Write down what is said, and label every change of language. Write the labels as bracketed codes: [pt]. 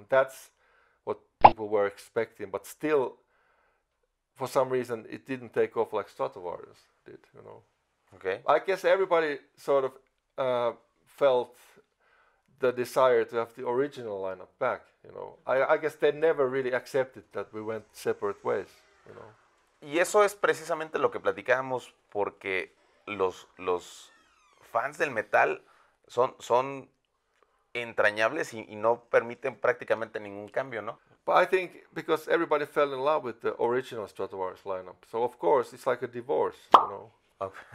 [en] And that's what people were expecting. But still, for some reason, it didn't take off like Stratovarius did, you know. Okay. I guess everybody sort of felt the desire to have the original lineup back, you know. I guess they never really accepted that we went separate ways, you know. [es] Y eso es precisamente lo que platicábamos, porque los fans del metal son entrañables y no permiten prácticamente ningún cambio, ¿no? [en] But I think because everybody fell in love with the original Stratovarius lineup. So of course, it's like a divorce, you know.